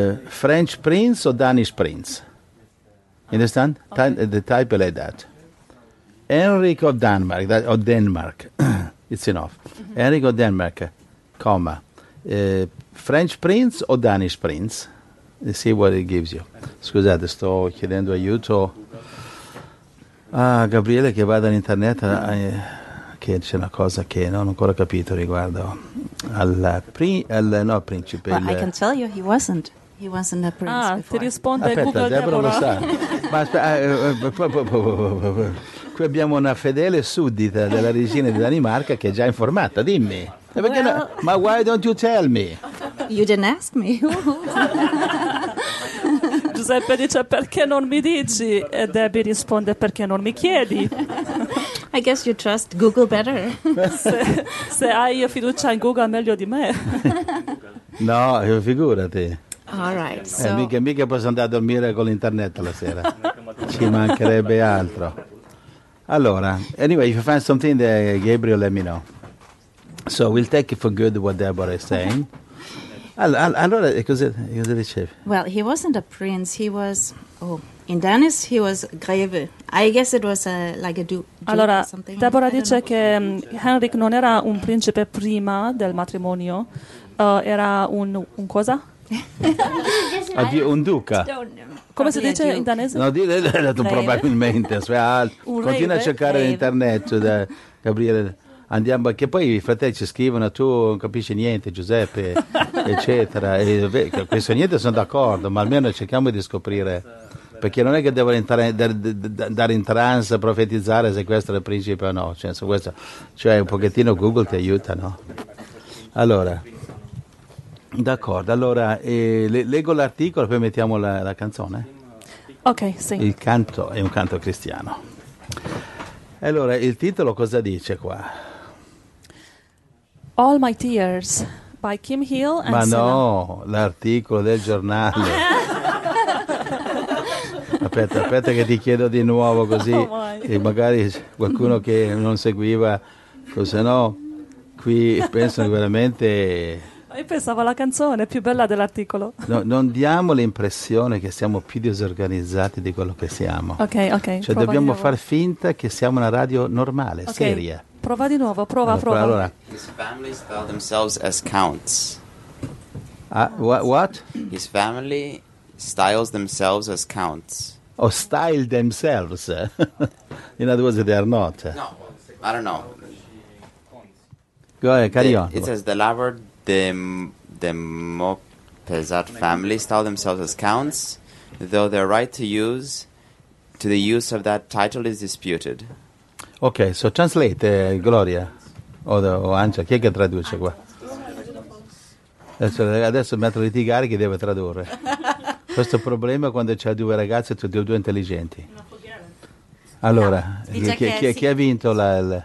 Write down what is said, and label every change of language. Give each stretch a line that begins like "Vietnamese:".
English: French prince or Danish prince? Understand? Okay. The type like that. Henrik of Denmark. That, or Denmark. It's enough. Mm-hmm. Henrik of Denmark, comma. French Prince o Danish Prince? Let's see what it gives you.
Italian: Scusate, sto chiedendo aiuto a Gabriele che va dall'internet, che c'è una cosa che non ho ancora capito riguardo al principe.
English: Well, I can tell you he wasn't a prince. Ah, before.
Italian: Ti risponde. Aspetta, Google Deborah lo sa. Ma qui abbiamo una fedele suddita della regina di Danimarca che è già informata. Dimmi.
English: Well, no, ma why don't you tell me? You didn't ask me.
Italian: Giuseppe dice perché non mi dici e Debbie risponde perché non mi chiedi.
English: I guess you trust Google better.
Italian: se hai fiducia in Google meglio di me. No, figurati.
English: All right. So.
Italian: Mica posso andare a dormire con l'internet la sera. Ci mancherebbe altro. Allora,
English: anyway, if you find something there, Gabriel, let me know. So we'll take it for good what Deborah is saying.
Italian: Allora, cosa dicevi?
English: Well, he wasn't a prince. He was, in Danish, he was greve. I guess it was like a duke.
Italian: Allora,
English: or something.
Italian: Deborah dice che Henrik non era un principe prima del matrimonio. Era un cosa? Un duca. Come si dice in danese? No, probabilmente. Continua a cercare internet, Gabriele. Andiamo, che poi i fratelli ci scrivono, tu non capisci niente, Giuseppe, eccetera. E, questo niente, sono d'accordo, ma almeno cerchiamo di scoprire. Perché non è che devo dare in trance, profetizzare se questo è il principe o no. Cioè un pochettino Google ti aiuta, no? Allora, d'accordo. Allora, leggo l'articolo e poi mettiamo la canzone. Ok, sì. Il canto è un canto cristiano. Allora, il titolo cosa dice qua?
English: All My Tears by Kim Hill and
Italian: Ma no, Sina. L'articolo del giornale. Aspetta che ti chiedo di nuovo così e magari qualcuno che non seguiva, se no qui pensano veramente. Io pensavo alla canzone più bella dell'articolo. No, non diamo l'impressione che siamo più disorganizzati di quello che siamo. Ok. Cioè dobbiamo far finta che siamo una radio normale, okay. Seria. Prova di nuovo, prova. Allora.
English: His family spell themselves as counts. What? His family styles themselves as counts. Oh, style themselves. In other words, they are not. No, I don't know. Go ahead, carry on. It says the lover, the Maupassant family style themselves as counts, though their right to the use of that title is disputed. Ok, so translate,
Italian: Gloria, o Ancia, chi è che traduce qua? Adesso mi metto a litigare chi deve tradurre. Questo problema quando c'è due ragazze, due intelligenti. Allora, no, chi ha vinto la...